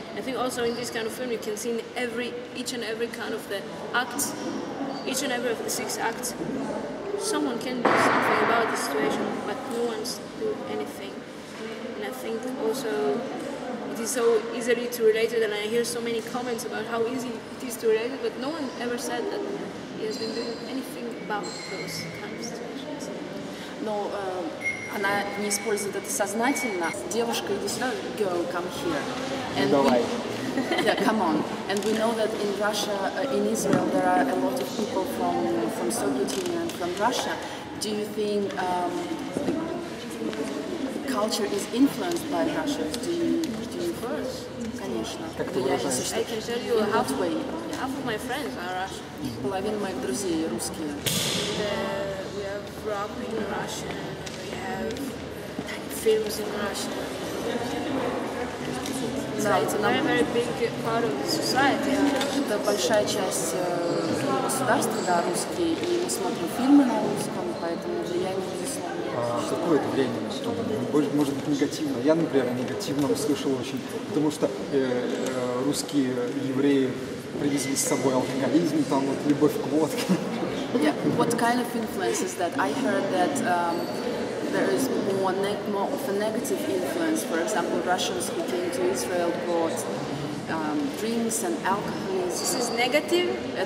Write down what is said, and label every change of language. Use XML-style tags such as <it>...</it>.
<en>I think also in this kind of film you can see in each and every kind of the acts, each and every of the six acts, someone can do something about the situation, but no one's do anything. And I think also it is so easily to relate it, and I hear so many comments about how easy it is to relate it, but no one ever said that he has been doing anything about those kind of situations. No.</en> <ru>Она не использует это сознательно. Девушка, иди сюда.</ru> <en>Girl, come here.</en> <ru>And давай.</ru> <en>Yeah, come on. And we know that in Russia, in Israel, there are a lot of people from Soviet Union, from Russia. Do you think culture is influenced by Russia? Do you of course.</en> <ru>Конечно.</ru> <en>I can tell you half of my friends are Russian.</en> <ru>Половина моих друзей русские.</ru> <en>We have rock in Russia. Films in Russia.</en> <ru>Да, это</ru> <en>very, very big part of the society.</en> <ru>Это большая часть государства, да, русские, и мы смотрим фильмы на русском, поэтому влияние безусловно. Какое это влияние? Может быть негативно. Я, например, негативно услышал очень, потому что русские евреи привезли с собой алкоголизм, там вот любовь к водке.</ru> <en>Yeah, what kind of influence is that? I heard that there is more of a negative influence. For example, Russians who came to Israel brought drinks and alcohol. This is negative?</en>